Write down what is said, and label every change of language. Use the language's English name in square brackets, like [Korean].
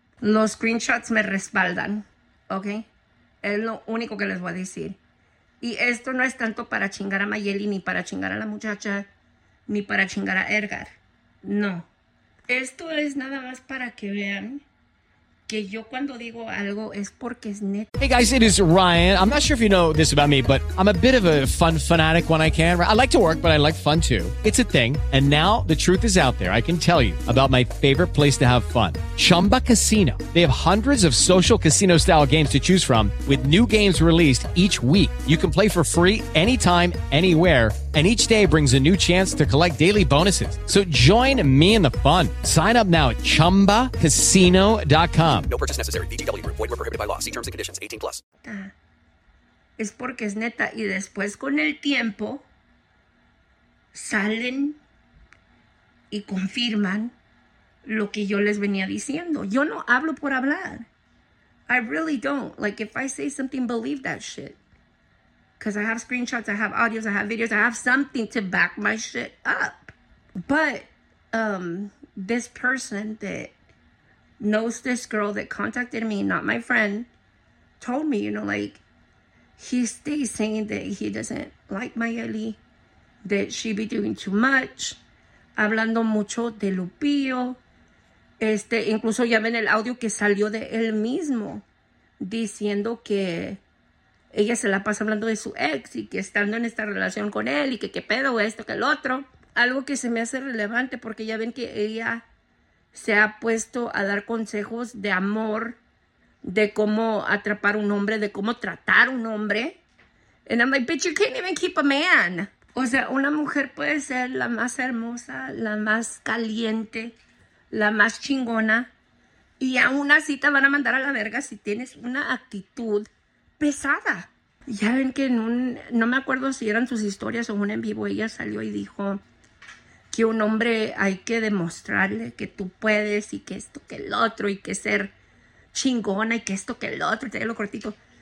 [Spanish] Los screenshots me respaldan, ¿ok? Es lo único que les voy a decir. Y esto no es tanto para chingar a Mayeli, ni para chingar a la muchacha, ni para chingar a Edgar. No. Esto es nada más para que vean que yo cuando digo algo es porque es neta. [English] Hey guys, it is Ryan. I'm not sure if you know this about me, but I'm a bit of a fun fanatic when I can. I like to work, but I like fun too. It's a thing. And now the truth is out there. I can tell you about my favorite place to have fun. Chumba Casino. They have hundreds of social casino style games to choose from with new games released each week. You can play for free anytime, anywhere. And each day brings a new chance to collect daily bonuses. So join me in the fun. Sign up now at ChumbaCasino.com. No purchase necessary. VGW. Void where prohibited by law. See terms and conditions. 18 plus. [Spanish] Es porque es neta. Y después con el tiempo salen y confirman lo que yo les venía diciendo. Yo no hablo por hablar. [English] I really don't. Like, if I say something, believe that shit. Because I have screenshots, I have audios, I have videos, I have something to back my shit up. But this person that knows this girl that contacted me, not my friend, told me, you know, like, he stays saying that he doesn't like Mayeli, [Spanish] de She Be Doing Too Much, hablando mucho de Lupillo. Incluso ya ven el audio que salió de él mismo diciendo que ella se la pasa hablando de su ex y que estando en esta relación con él y que qué pedo, esto, que el otro. Algo que se me hace relevante porque ya ven que ella se ha puesto a dar consejos de amor, de cómo atrapar un hombre, de cómo tratar un hombre. [English] And I'm like, bitch, you can't even keep a man. [Spanish] O sea, una mujer puede ser la más hermosa, la más caliente, la más chingona, y aún así te van a mandar a la verga si tienes una actitud pesada. Ya ven que no me acuerdo si eran sus historias o un en vivo, ella salió y dijo que un hombre hay que demostrarle que tú puedes y que esto que el otro y que ser chingona y que esto que el otro, y te lo cortito.